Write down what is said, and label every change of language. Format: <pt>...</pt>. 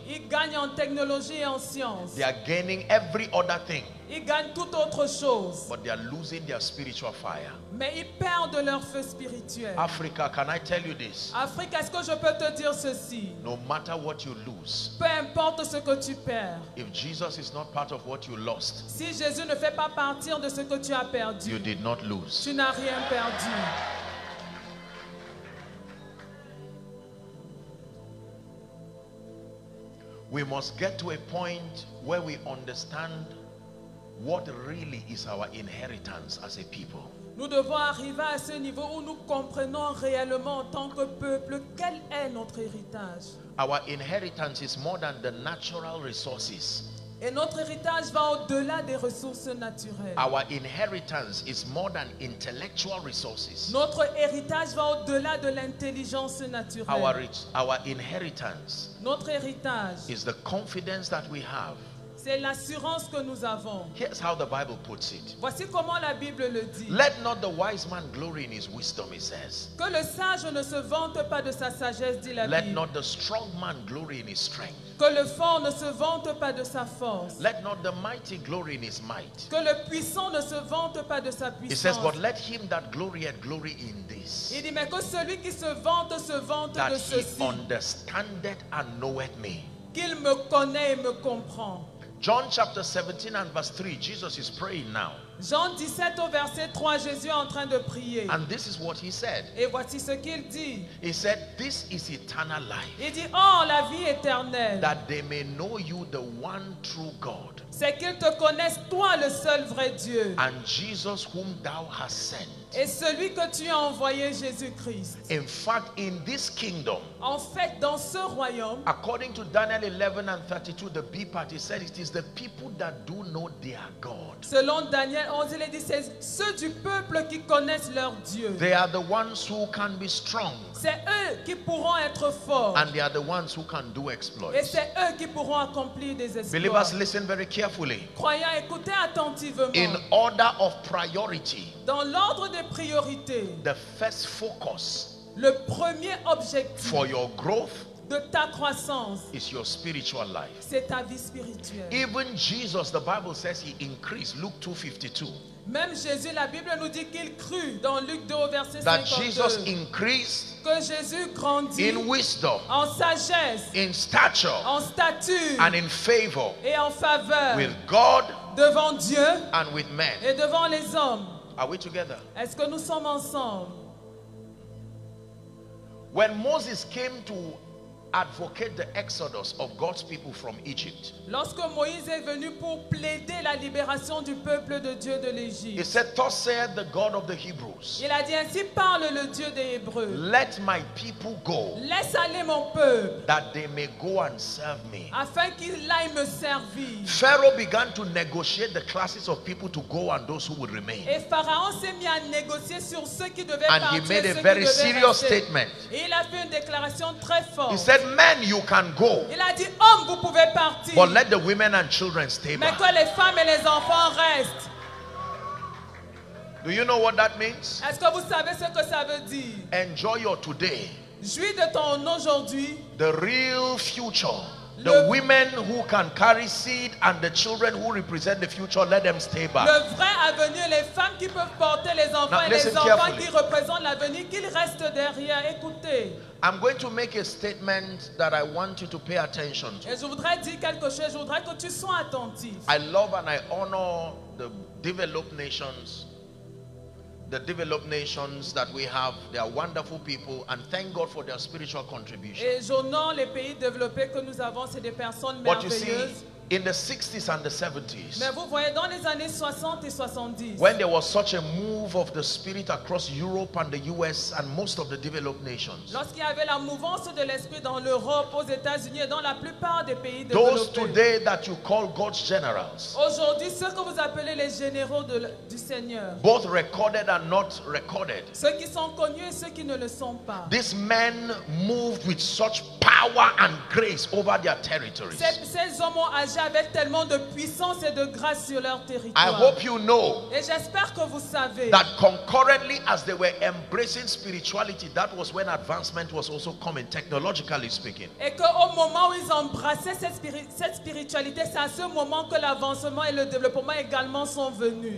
<fr>Ils gagnent en technologie et en science.</fr> <en>They are gaining every other thing.</en> <fr>Ils gagnent toute autre chose.</fr> <en>But they are losing their spiritual fire.</en> <fr>Mais ils perdent leur feu spirituel.</fr> <en>Africa, can I tell you this?</en> <fr>Afrique, est-ce que je peux te dire ceci?</fr> <en>No matter what you lose.</en> <fr>Peu importe ce que tu perds.</fr> <en>If Jesus is not part of what you lost.</en> <fr>Si Jésus ne fait pas partie de ce que tu as perdu.</fr> <en>You did not lose.</en> <fr>Tu n'as rien perdu.</fr> <en>We must get to a point where we understand what really is our inheritance as a people.</en> <fr>Nous devons arriver à ce niveau où nous comprenons réellement en tant que peuple quel est notre héritage.</fr> <en>Our inheritance is more than the natural resources.</en> <fr>Et notre héritage va au-delà des ressources naturelles.</fr> <en>Our inheritance is more than intellectual resources.</en> <fr>Notre héritage va au-delà de l'intelligence naturelle.</fr> <en>Our inheritance.</en> <fr>Notre héritage</fr> <en>is the confidence that we have.</en> <fr>C'est l'assurance que nous avons.</fr> <en>Here's how the Bible puts it.</en> <fr>Voici comment la Bible le dit.</fr> <en>Let not the wise man glory in his wisdom, it says.</en> <fr>Que le sage ne se vante pas de sa sagesse, dit la</fr> <en>Let</en> <fr>Bible.</fr> <en>Let not the strong man glory in his strength.</en> <fr>Que le fort ne se vante pas de sa force.</fr> <en>Let not the mighty glory in his might.</en> <fr>Que le puissant ne se vante pas de sa puissance.</fr> <en>It says, but let him that glorieth glory in this.</en> <fr>Il dit, mais que celui qui se vante</fr> <en>that</en> <fr>de ceci.</fr> <en>That he understandeth and knoweth me.</en> <fr>Qu'il me connaît et me comprend.</fr> <en>John chapter 17 and verse 3, Jesus is praying now.</en> <fr>Jean 17 au verset 3, Jésus est en train de prier.</fr> <en>And this is what he said.</en> <fr>Et voici ce qu'il dit.</fr> <en>He said, this is eternal life.</en> <fr>Il dit, oh, la vie éternelle.</fr> <en>That they may know you, the one true God.</en> <fr>C'est qu'ils te connaissent, toi, le seul vrai Dieu.</fr> <en>And Jesus whom thou hast sent.</en> <fr>Et celui que tu as envoyé, Jésus-Christ.</fr> <en>In fact, in this kingdom.</en> <fr>En fait, dans ce royaume.</fr> <en>According to Daniel 11 and 32, the B part, he said, it is the people that do know their God.</en> <fr>Selon Daniel 11, il dit, c'est ceux du peuple qui connaissent leur Dieu.</fr> <en>They are the ones who can be strong.</en> <fr>C'est eux qui pourront être forts.</fr> <en>And they are the ones who can do exploits.</en> <fr>Et c'est eux qui pourront accomplir des exploits.</fr> <en>Believers, listen very carefully.</en> <fr>Croyants, écoutez attentivement.</fr> <en>In order of priority.</en> <fr>Dans l'ordre des priorités.</fr> <en>The first focus.</en> <fr>Le premier objectif</fr> <en>for your growth</en> <fr>de ta croissance</fr> <en>is your spiritual life.</en> <fr>C'est ta vie spirituelle.</fr> <en>Even Jesus, the Bible says he increased. Luke 2:52.</en> <fr>Même Jésus, la Bible nous dit qu'il crut dans Luc 2 verset 52.</fr> <en>That Jesus increased</en> <fr>que Jésus grandit</fr> <en>in wisdom,</en> <fr>en sagesse,</fr> <en>in stature,</en> <fr>en stature,</fr> <en>and in favor</en> <fr>et en faveur</fr> <en>with God</en> <fr>devant Dieu</fr> <en>and with men.</en> <fr>Et devant les hommes.</fr> <en>Are we together?</en> <fr>Est-ce que nous sommes ensemble?</fr> <en>When Moses came to advocate the exodus of God's people from Egypt.</en> <fr>Lorsque Moïse est venu pour plaider la libération du peuple de Dieu de l'Égypte.</fr> <en>He said, "Thus saith the God of the Hebrews."</en> <fr>Il a dit ainsi parle le Dieu des Hébreux.</fr> <en>Let my people go.</en> <fr>Laisse aller mon peuple.</fr> <en>That they may go and serve me.</en> <fr>Afin qu'il aille me servir.</fr> <en>Pharaoh began to negotiate the classes of people to go and those who would remain.</en> <fr>Et Pharaon s'est mis à négocier sur ceux qui devaient partir.</fr> <en>And he made a very serious statement.</en> <fr>Il a fait une déclaration très forte.</fr> <en>He said, men, you can go.</en> <fr>Il a dit, hommes, vous pouvez partir.</fr> <en>But let the women and children stay</en> <fr>Mais</fr> <en>back.</en> <fr>Mais que les femmes et les enfants restent.</fr> <en>Do you know what that means?</en> <fr>Est-ce que vous savez ce que ça veut dire?</fr> <en>Enjoy your today.</en> <fr>Jouis de ton aujourd'hui.</fr> <en>The real future. The women who can carry seed and the children who represent the future, let them stay back.</en> <fr>Le vrai avenir, les femmes qui peuvent porter les enfants</fr> <en>Now,</en> <fr>et les enfants</fr> <en>carefully.</en> <fr>Qui représentent l'avenir, qu'ils restent derrière. Écoutez.</fr> <en>I'm going to make a statement that I want you to pay attention to.</en> <fr>Et je voudrais dire quelque chose, je voudrais que tu sois attentif.</fr> <en>I love and I honor the developed nations that we have. They are wonderful people and thank God for their spiritual contribution.</en> <fr>Et j'honore les pays développés que nous avons, c'est des personnes</fr> <en>But</en> <fr>merveilleuses.</fr> <en>You see, In the 60s and the 70s,</en> <fr>mais vous voyez, dans les années 60 et 70,</fr> <en>when there was such a move of the Spirit across Europe and the US and most of the developed nations,</en> <fr>lorsqu'il y avait la mouvance de l'esprit dans l'Europe, aux États-Unis et dans la plupart des pays développés,</fr> <en>those today that you call God's generals,</en> <fr>aujourd'hui ceux que vous appelez les généraux du Seigneur,</fr> <en>both recorded and not recorded,</en> <fr>ceux qui sont connus et ceux qui ne le sont pas,</fr> <en>these men moved with such power and grace over their territories.</en> <fr>Ces hommes ont agi avec tellement de puissance et de grâce sur leur territoire.</fr> <en>I hope you know,</en> <fr>et j'espère que vous savez,</fr> <en>that concurrently as they were embracing spirituality, that was when advancement was also coming, technologically speaking.</en> <fr>Et que au moment où ils embrassaient cette spiritualité, c'est à ce moment que l'avancement et le développement également sont venus.</fr>